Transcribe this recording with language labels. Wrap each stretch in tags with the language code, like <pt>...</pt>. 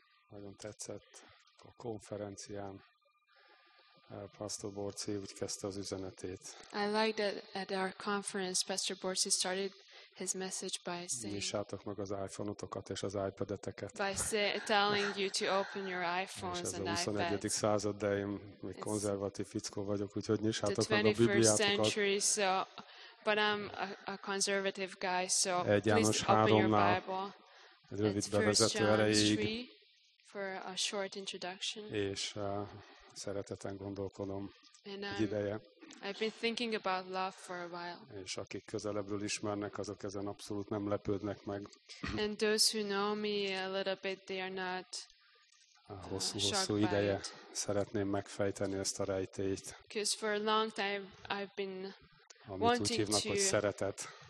<hu>Nagyon tetszett a konferencián. Pastor Borci úgy kezdte az üzenetét.</hu> <en>I liked that at our conference, Pastor Borci started his message by saying,</en> <hu>nyissátok meg az iPhone-otokat és az iPad-eteket.</hu> <en>By telling you to open your iPhones and iPads.</en> <hu>És ez a 21. század, de én még konzervatív fickó vagyok, úgyhogy nyissátok meg a Bibliátokat.</hu> <en>But I'm a conservative guy, so please open your Bible.</en> <hu>Egy rövid bevezető erejéig.</hu> <en>For a short introduction.</en> <hu>És szereteten gondolkodom egy ideje.</hu> <en>I've been thinking about love for a while.</en> <hu>És akik közelebbről ismernek, azok ezen abszolút nem lepődnek meg.</hu> <en>And those who know me a little bit, they are not</en> <hu>hosszú ideje szeretném megfejteni ezt a rejtélyt.</hu> <en>Because for a long time I've been</en> <hu>amit úgy hívnak, hogy szeretet.</hu>